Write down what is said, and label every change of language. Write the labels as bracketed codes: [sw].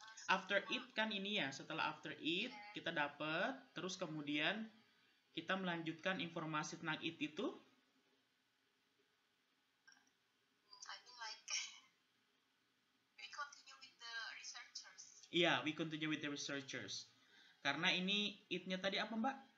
[id] After it kan ini ya, setelah after it kita dapat, terus kemudian kita melanjutkan informasi tentang it itu. [en] I mean like we continue with the researchers. Iya, yeah, we continue with the researchers. [id] Karena ini it-nya tadi apa, Mbak?